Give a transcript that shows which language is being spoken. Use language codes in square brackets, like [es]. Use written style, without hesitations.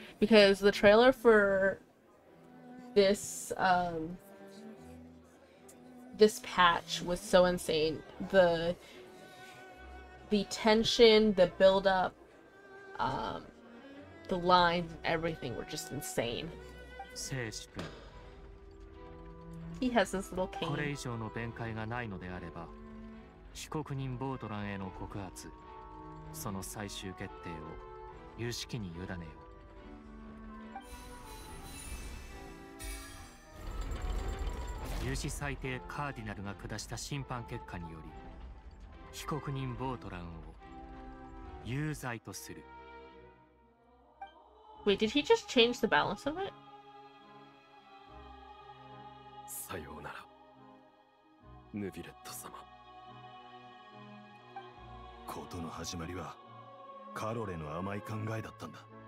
[en] Because the trailer for this, this patch was so insane. The tension, the build-up, the lines, everything were just insane. [ja] Seishi-kun. [en] He has this little cane. [ja] これ以上の弁解がないのであれば、被告人ボートランへの告発、その最終決定を有識に委ねよう。有志裁定カーディナルが下した審判結果により被告人ボートランを有罪とする。 [en] Wait, did he just change the balance of it? [ja] さようなら、ヌビレット様。ことの始まりはカロレの甘い考えだったんだ。